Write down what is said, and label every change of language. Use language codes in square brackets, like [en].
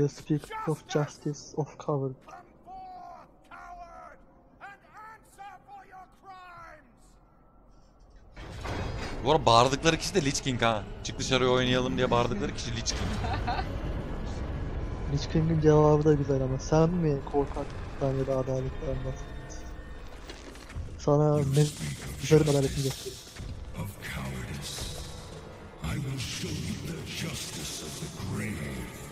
[en] You speak of justice, of coward. Come forth, coward, and answer for your crimes. [tr] Bu arada bağırdıkları kişi de Lich King ha. Çık dışarıya oynayalım diye bağırdıkları kişi Lich King. Lich King'in cevabı da güzel ama sen mi korkaktan ya da adaletten bahsediyorsun? Sana ne zırhın adaletini gösteriyorum. [en] Of cowardice, I will show you the justice of the grave.